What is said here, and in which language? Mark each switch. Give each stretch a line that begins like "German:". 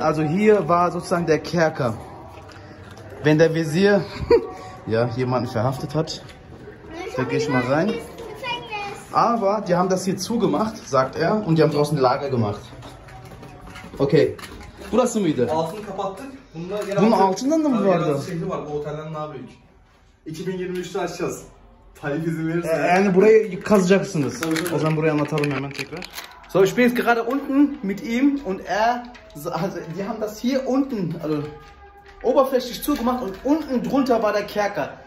German: Also hier war sozusagen der Kerker. Wenn der Vezir ja, jemanden verhaftet hat. Da gehe ich mal rein. Aber die haben das hier zugemacht, sagt er. Und die haben draußen Lager gemacht.
Turkish: Okay. Burası mıydı? Altını kapattık. Bunun altından da mı vardı? Yeraltı şehri var. Bu otelden ne yapıyoruz? 2023'te açacağız. Yani burayı kazacaksınız. O zaman burayı anlatalım hemen tekrar.
German: So, ich bin jetzt gerade unten mit ihm und er, also die haben das hier unten, also oberflächlich zugemacht und unten drunter war der Kerker.